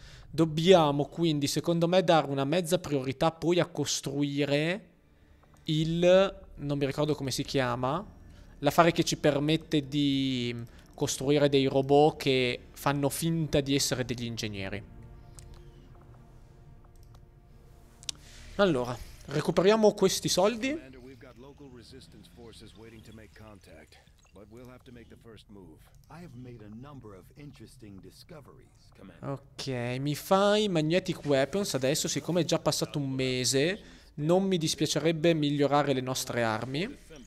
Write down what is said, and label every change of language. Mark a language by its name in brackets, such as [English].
[Italian] Dobbiamo quindi, secondo me, dare una mezza priorità poi a costruire il, non mi ricordo come si chiama, l'affare che ci permette di costruire dei robot che fanno finta di essere degli ingegneri. Allora, recuperiamo questi soldi. [English] Commander, we've got local resistance forces waiting to make contact, but we'll have to make the first move. I have made a number of interesting discoveries, Commander. [Italian] Ok, mi fai Magnetic Weapons adesso, siccome è già passato un mese, non mi dispiacerebbe migliorare le nostre armi.